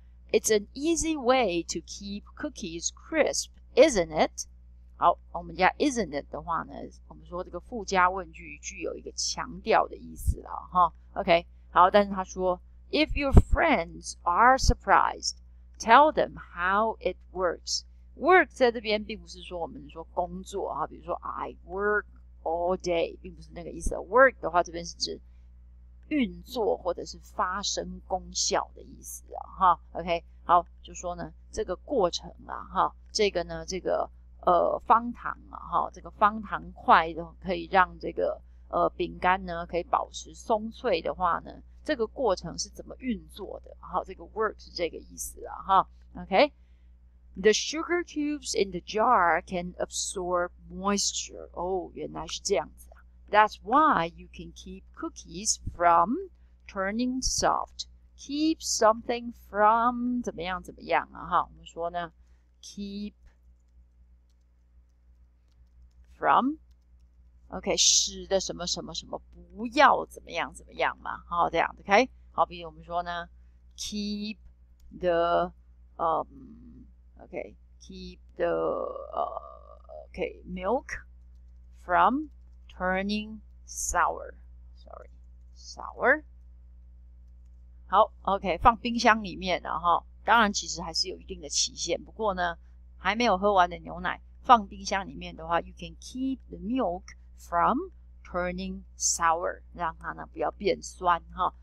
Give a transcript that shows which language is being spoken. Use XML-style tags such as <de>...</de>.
<en>It's an easy way to keep cookies crisp, isn't it?</en> <zh>好，我们加 isn't it 的话呢，我们说这个附加问句具有一个强调的意思了，哈。</zh> <en>OK，</en> <zh>好，但是他说</zh> <en>，If your friends are surprised, tell them how it works.</en> <zh>Work 在这边并不是说我们说工作啊，比如说</zh> <en>I work。 All day</en> <zh>并不是那个意思。 Work 的话，这边是指运作或者是发生功效的意思啊，哈。 OK， 好，就说呢这个过程啊，哈，这个呢这个方糖啊，哈，这个方糖块的可以让这个饼干呢可以保持松脆的话呢，这个过程是怎么运作的？好，这个 work 是这个意思啊，哈。</zh> <en>OK， the sugar cubes in the jar can absorb. Moisture. Oh,</en> <zh>原来是这样子啊。</zh> <en>That's why you can keep cookies from turning soft. Keep something from</en> <zh>怎么样怎么样啊？哈，我们说呢 ，</zh> <en>keep from.</en> <zh>OK， 使得什么什么什么不要怎么样怎么样嘛？好，这样 OK。好比我们说呢</zh> <en>，keep the OK， keep the Okay, milk from turning sour. Sorry, sour.</en> <zh>好 ，OK， 放冰箱里面的哈，当然其实还是有一定的期限。不过呢，还没有喝完的牛奶放冰箱里面的话 ，</zh> <en>you can keep the milk from turning sour，</en> <zh>让它呢不要变酸哈。</zh>